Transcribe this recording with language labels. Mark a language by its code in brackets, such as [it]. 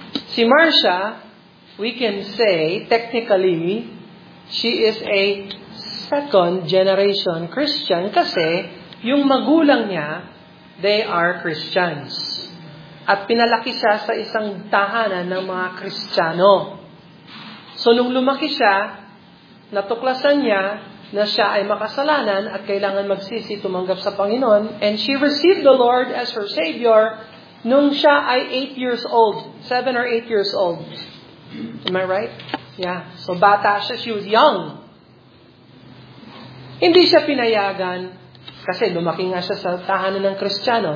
[en] Si Marcia, we can say, technically, she is a second generation Christian [tl] kasi yung magulang niya, [en] they are Christians. [tl] At pinalaki siya sa isang tahanan ng mga Kristiyano. So nung lumaki siya, natuklasan niya na siya ay makasalanan at kailangan magsisi tumanggap sa Panginoon. [en] And she received the Lord as her Savior [tl] nung siya ay [en] 8 years old. 7 or 8 years old. Am I right? Yeah. [tl] So bata siya, [en] she was young. [tl] Hindi siya pinayagan kasi lumaki nga siya sa tahanan ng Kristiyano.